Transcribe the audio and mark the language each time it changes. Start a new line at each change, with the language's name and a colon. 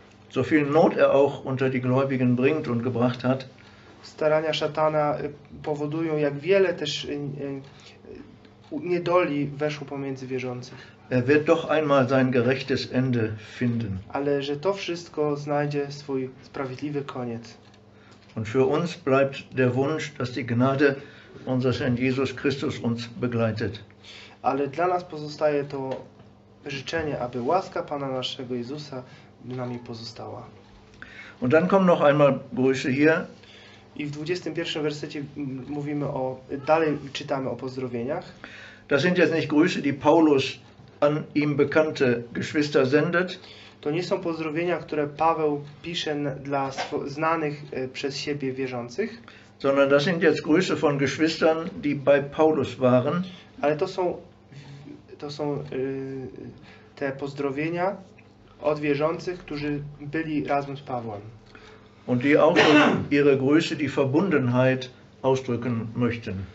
German: So viel Not er auch unter die Gläubigen bringt und gebracht hat.
Polish: Starania szatana powodują, jak wiele też niedoli weszło pomiędzy wierzących.
German: Er wird doch einmal sein gerechtes Ende finden.
Polish: Ale że to wszystko znajdzie swój sprawiedliwy koniec.
German: Und für uns bleibt der Wunsch, dass die Gnade unseres Herrn Jesus Christus uns begleitet.
Polish: Ale dla nas pozostaje to życzenie, aby łaska Pana naszego Jezusa nami pozostała.
German: Und dann kommen noch einmal Grüße hier.
Polish: I w 21. wersecie mówimy o, dalej czytamy o pozdrowieniach.
German: Das sind jetzt nicht Grüße, die Paulus an ihm bekannte Geschwister sendet.
Polish: To nie są pozdrowienia, które Paweł pisze dla znanych przez siebie wierzących.
German: Sondern das sind jetzt Grüße von Geschwistern, die bei Paulus waren.
Polish: Ale to są te pozdrowienia od wierzących, którzy byli razem z Pawłem.
German: Und die auch schon ihre Grüße, die Verbundenheit ausdrücken möchten.